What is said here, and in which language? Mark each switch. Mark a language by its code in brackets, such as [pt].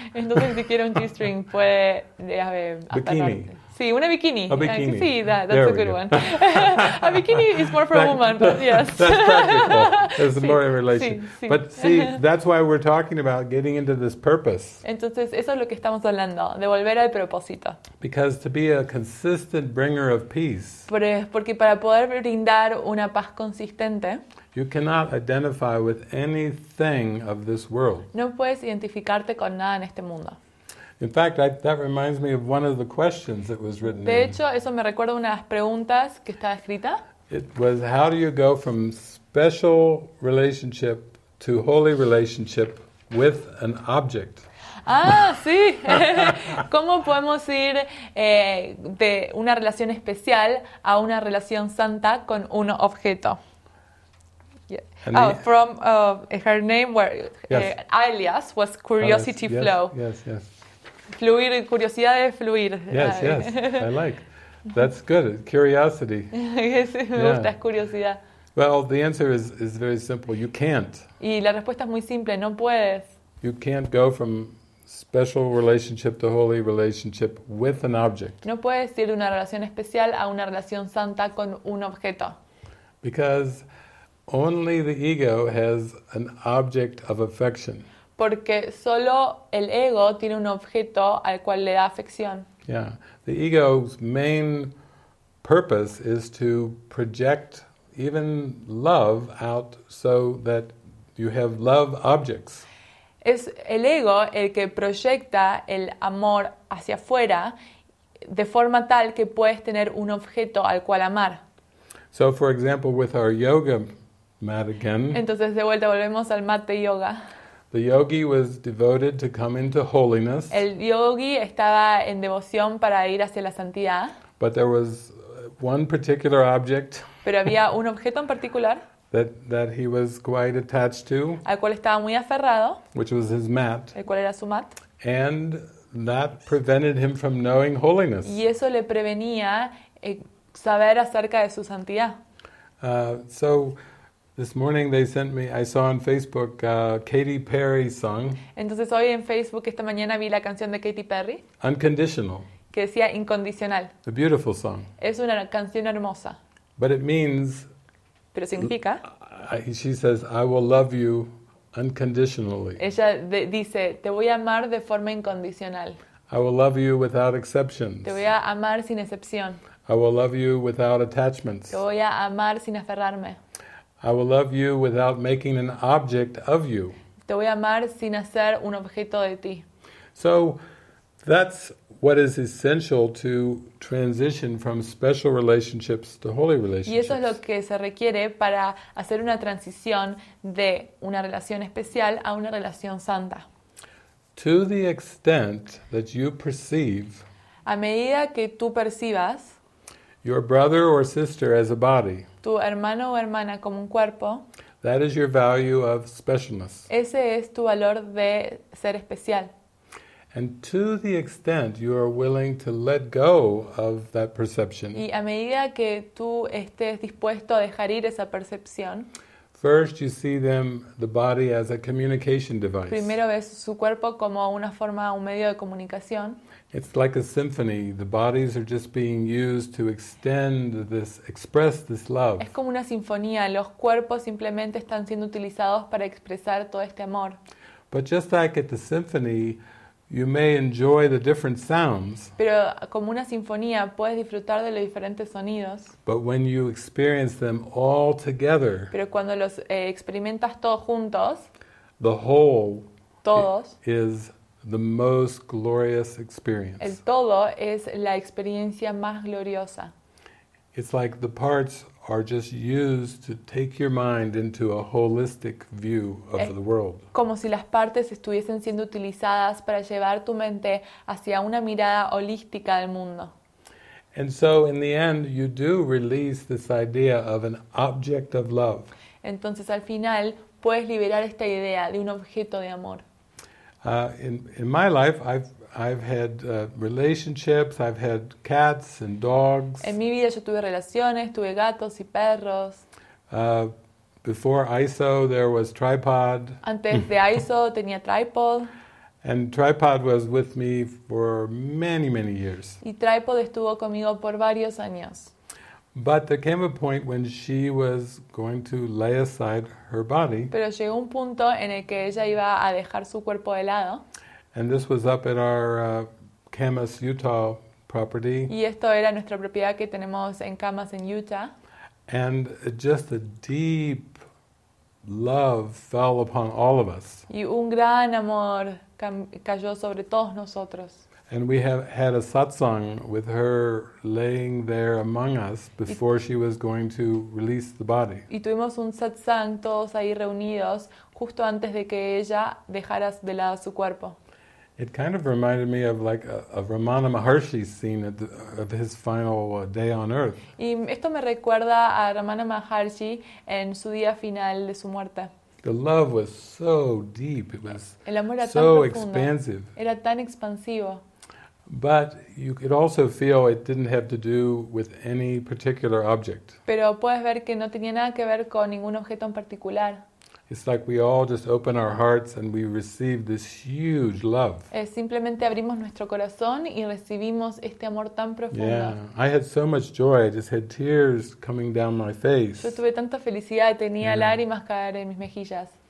[es] Entonces si quieres un G-string puede atarte. Bikini. Sí, una bikini. [en] A bikini. Sí, that's a good one. A bikini is more for a woman, but yes. That's practical. It's more in relation. But see, that's why we're talking about getting into this purpose. [es] Entonces eso es lo que estamos hablando, de volver al propósito. [en] Because to be a consistent bringer of peace. [es] Porque para poder brindar una paz consistente. [en] You cannot identify with anything of this world. [es] No puedes identificarte con nada en este mundo. [en] In fact, that reminds me of one of the questions that was written. [es] De hecho, eso me recuerda una de las preguntas que estaba escrita. [en] It was, how do you go from special relationship to holy relationship with an object? [es] Ah, sí. ¿Cómo podemos ir de una relación especial a una relación santa con un objeto? [en] Yeah. Oh, from her name, where, yes. Alias, was curiosity alias. Flow. Yes, yes. [es] Fluir, curiosidad de fluir. [en] Yes, yes, I like. That's good, curiosity. [es] Sí, me gusta, es curiosidad. [en] Well, the answer is very simple, you can't. [es] Y la respuesta es muy simple, no puedes. [en] You can't go from special relationship to holy relationship with an object. [es] No puedes ir de una relación especial a una relación santa con un objeto. [en] Because only the ego has an object of affection. [es] Porque solo el ego tiene un objeto al cual le da afección. [en] Yeah, the ego's main purpose is to project even love out so that you have love objects. [es] Es el ego el que proyecta el amor hacia afuera de forma tal que puedes tener un objeto al cual amar. [en] So, for example, with our yoga mat again. [es] Entonces, de vuelta, volvemos al mat de yoga. [en] The yogi was devoted to come into holiness. [es] El yogi estaba en devoción para ir hacia la santidad. [en] But there was one particular object. [es] Pero había un objeto en particular. [en] That he was quite attached to. [es] Al cual estaba muy aferrado. [en] Which was his mat. [es] El cual era su mat. [en] And that prevented him from knowing holiness. [es] Y eso le prevenía saber acerca de su santidad. [en] So. This morning they sent me, I saw on Facebook, Katy Perry's song. [es] Entonces hoy en Facebook esta mañana vi la canción de Katy Perry. [en] Unconditional. [es] Que decía incondicional. [en] A beautiful song. [es] Es una canción hermosa. [en] But it means... [es] Pero significa... [en] She says, I will love you unconditionally. [es] Ella dice, te voy a amar de forma incondicional. [en] I will love you without exceptions. [es] Te voy a amar sin excepción. [en] I will love you without attachments. [es] Te voy a amar sin aferrarme. [en] I will love you without making an object of you. [es] Te voy a amar sin hacer un objeto de ti. [en] So that's what is essential to transition from special relationships to holy relationships. [es] Y eso es lo que se requiere para hacer una transición de una relación especial a una relación santa. [en] To the extent that you perceive, [es] a medida que tú percibas, [en] your brother or sister as a body, [es] tu hermano o hermana como un cuerpo. [en] That is your value of specialness. [es] Ese es tu valor de ser especial. [en] And to the extent you are willing to let go of that perception. [es] Y a medida que tú estés dispuesto a dejar ir esa percepción. [en] First you see them, the body, as a communication device. [es] Primero ves su cuerpo como una forma, un medio de comunicación. [en] It's like a symphony. The bodies are just being used to extend this, express this love. [es] Es como una sinfonía. Los cuerpos simplemente están siendo utilizados para expresar todo este amor. [en] But just like at the symphony, you may enjoy the different sounds. [es] Pero como una sinfonía, puedes disfrutar de los diferentes sonidos. [en] But when you experience them all together. [es] Pero cuando los experimentas todos juntos. [en] The whole. [es] Todos. [en] Is the most glorious experience. [es] El todo es la experiencia más gloriosa. [en] It's like the parts are just used to take your mind into a holistic view of the world. [es] Como si las partes estuviesen siendo utilizadas para llevar tu mente hacia una mirada holística del mundo. [en] And so in the end you do release this idea of an object of love. [es] Entonces al final puedes liberar esta idea de un objeto de amor. [en] In my life, I've had relationships. I've had cats and dogs. [es] En mi vida yo tuve relaciones, tuve gatos y perros. [en] Before ISO, there was tripod. [es] Antes de ISO tenía tripod. [en] And tripod was with me for many, many years. [es] Y tripod estuvo conmigo por varios años. [en] But there came a point when she was going to lay aside her body. [es] Pero llegó un punto en el que ella iba a dejar su cuerpo de lado. [en] And this was up at our Camas, Utah property. [es] Y esto era nuestra propiedad que tenemos en Camas, en Utah. [en] And just a deep love fell upon all of us. [es] Y un gran amor cayó sobre todos nosotros. [en] And we have had a satsang with her laying there among us before she was going to release the body. [es] Y tuvimos un satsang todos ahí reunidos justo antes de que ella dejara de lado su cuerpo. [en] It kind of reminded me of like a Ramana Maharshi scene at of his final day on earth. [es] Y esto me recuerda a Ramana Maharshi en su día final de su muerte. [en] The love was so deep. It was [es] el amor era [en] so [es] tan profundo, [en] expansive. [es] Era tan expansivo. [en] But you could also feel it didn't have to do with any particular object. [es] Pero puedes ver que no tenía nada que ver con ningún objeto en particular. [en] It's like we all just open our hearts and we receive this huge love. [es] Simplemente abrimos nuestro corazón y recibimos este amor tan profundo. [en] Yeah, I had so much joy. I just had tears coming down my face. [es] Yo tuve tanta felicidad, tenía lágrimas caer en mis mejillas.